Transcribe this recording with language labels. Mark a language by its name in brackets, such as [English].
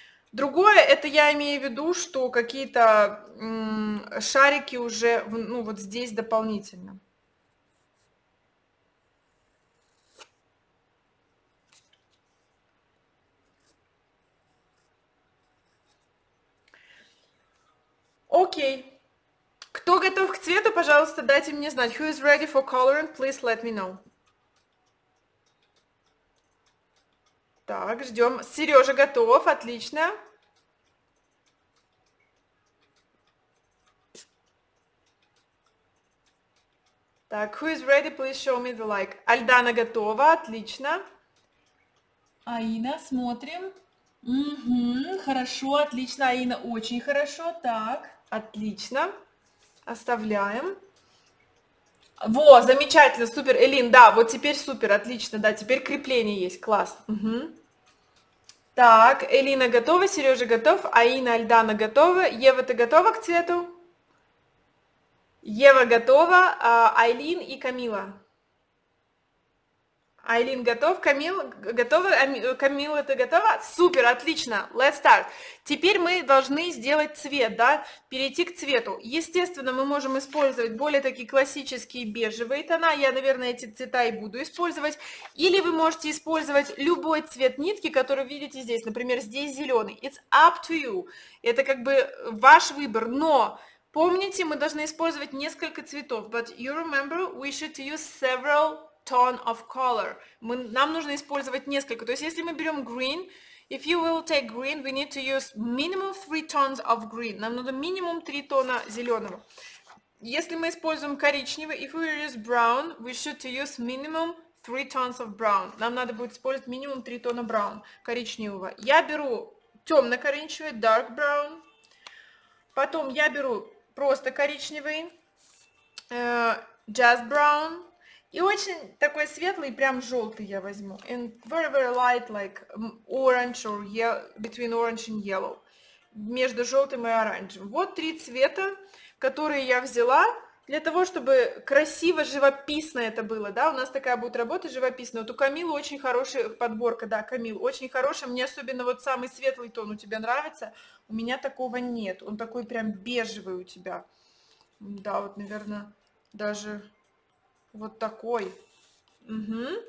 [Russian] Другое, это я имею в виду, что какие-то шарики уже, ну, вот здесь дополнительно. Окей. Кто готов к цвету, пожалуйста, дайте мне знать. [English] Who is ready for coloring, please let me know. [Russian] Так, ждем. Сережа готов, отлично. [English] Так, who is ready, please show me the like. [Russian] Альдана готова, отлично. Аина, смотрим. Угу, хорошо, отлично, Аина, очень хорошо. Так, отлично. Оставляем. Во, замечательно, супер, Элин, да, вот теперь супер, отлично, да, теперь крепление есть, класс. Угу. Так, Элина готова, Сережа готов, Аина, Альдана готова. Ева, ты готова к цвету? Ева готова, Айлин и Камила. Айлин готов, Камила готова, Камила, ты готова? Супер, отлично, [English] let's start. [Russian] Теперь мы должны сделать цвет, да, перейти к цвету. Естественно, мы можем использовать более такие классические бежевые тона, я, наверное, эти цвета и буду использовать. Или вы можете использовать любой цвет нитки, который видите здесь, например, здесь зеленый. [English] It's up to you, [Russian] это как бы ваш выбор, но... Помните, мы должны использовать несколько цветов. [English] But you remember, we should use several tone of color. [Russian] Нам нужно использовать несколько. То есть, если мы берем [English] green, if you will take green, we need to use minimum three tones of green. [Russian] Нам нужно минимум три тона зеленого. Если мы используем коричневый, [English] if we use brown, we should use minimum three tones of brown. [Russian] Нам надо будет использовать минимум три тона brown, коричневого. Я беру темно-коричневый, [English] dark brown. [Russian] Потом я беру просто коричневый, [English] just brown, [Russian] и очень такой светлый, прям желтый я возьму. [English] And very, very light, like orange or between orange and yellow. [Russian] Между желтым и оранжевым. Вот три цвета, которые я взяла для того, чтобы красиво, живописно это было, да, у нас такая будет работа живописная. Вот у Камилы очень хорошая подборка, да, Камил, очень хорошая, мне особенно вот самый светлый тон у тебя нравится, у меня такого нет, он такой прям бежевый у тебя, да, вот, наверное, даже вот такой, угу.